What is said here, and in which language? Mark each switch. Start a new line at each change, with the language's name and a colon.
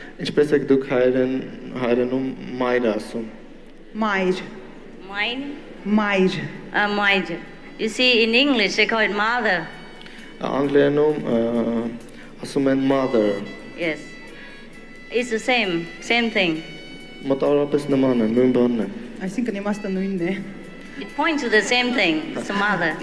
Armenian: Ինչպես եք դուք հայերենում մայր ասում? Մայր.
English: Mine?
Armenian: Mayr. Mayr.
English: You see, in English they call it mother.
Armenian: Անգլերենում ասում են mother.
English: Yes. It's the same thing.
Armenian: Մոտավորապես նման է, նույն բանն է. Այսինքն իմաստը նույնն է.
English: It points to the same thing. It's a mother.